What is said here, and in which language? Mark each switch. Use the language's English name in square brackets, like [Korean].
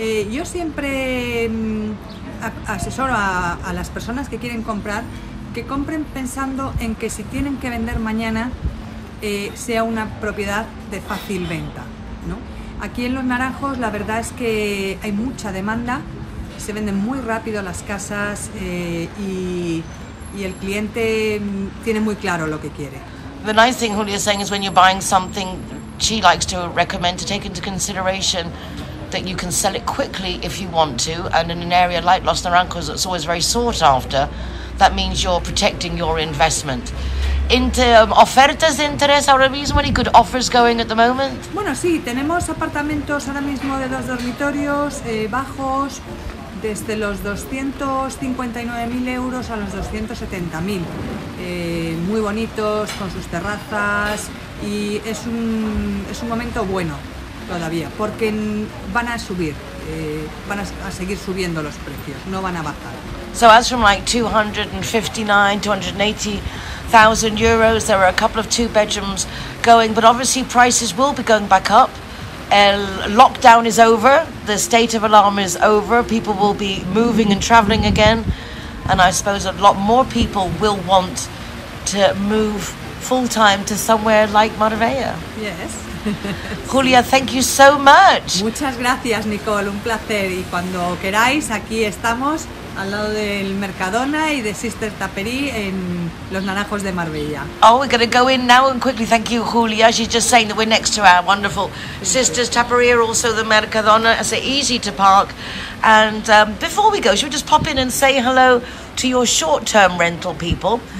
[Spanish] Yo siempre asesoro a las personas que quieren comprar que compren pensando en que si tienen que vender mañana sea una propiedad de fácil venta, ¿no? Aquí en Los Naranjos la verdad es que hay mucha demanda. Se venden muy rápido las casas y el cliente tiene muy claro lo que quiere. [English] The nice thing Julia is saying is when you're buying something, she likes to recommend to take into consideration that you can sell it quickly if you want to, and in an area like Los Naranjos that's always very sought after, that means you're protecting your investment. [Spanish] ¿Ofertas de interés ahora mismo? [English] ¿Any good offers going at the moment? [Spanish] Bueno, sí, tenemos apartamentos ahora mismo de dos dormitorios, bajos, desde los 259.000 euros a los 270.000, muy bonitos, con sus terrazas, y es un momento bueno todavía, porque van a subir, van a seguir subiendo los precios, no van a bajar. [English] So as from like 259,000 to 280,000 euros, there are a couple of two bedrooms going, but obviously prices will be going back up. El lockdown is over, the state of alarm is over, people will be moving and traveling again, and I suppose a lot more people will want to move full-time to somewhere like Marbella. Yes. Julia, thank you so much. [Spanish] Muchas gracias, Nicole, un placer, y cuando queráis, aquí estamos, al lado del Mercadona y de Sister Tapperi en Los Naranjos de Marbella. [English] Oh, we're going to go in now and quickly. Thank you, Julia. She's just saying that we're next to our wonderful Sisters Tapperi, also the Mercadona. It's easy to park. And before we go, should we just pop in and say hello to your short-term rental people?